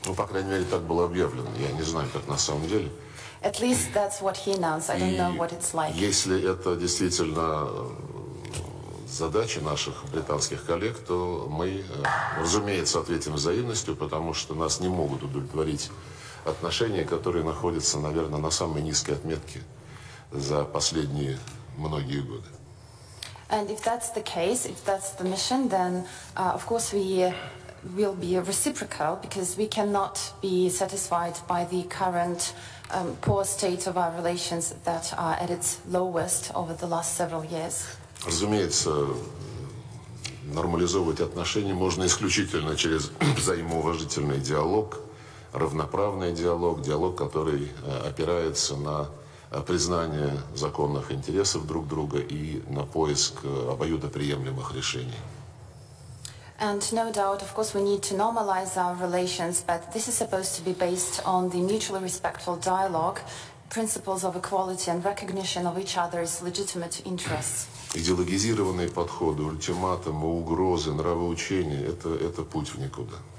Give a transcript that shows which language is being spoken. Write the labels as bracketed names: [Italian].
[Russian] Ну, по крайней мере, так было объявлено. Я не знаю, как на самом деле. [English] At least that's what he announced. I don't know what it's like. [Russian] Если это действительно задача наших британских коллег, то мы, разумеется, ответим взаимностью, потому что нас не могут удовлетворить отношения, которые находятся, наверное, на самой низкой отметке за последние многие годы. [English] And if that's the case, if that's the mission, then of course we will be reciprocal, because we cannot be satisfied by the current poor state of our relations that are at its lowest over the last several years. [Russian] Разумеется, нормализовывать отношения можно исключительно через взаимоуважительный диалог, равноправный диалог, диалог, который опирается на признание законных интересов друг друга и на поиск обоюдоприемлемых решений. [English] And no doubt, of course, we need to normalize our relations, but this is supposed to be based on the mutually respectful dialogue, principles of equality and recognition of each other's legitimate interests. [Russian] Идеологизированные подходы, ультиматумы, угрозы, нравоучения – это путь в никуда.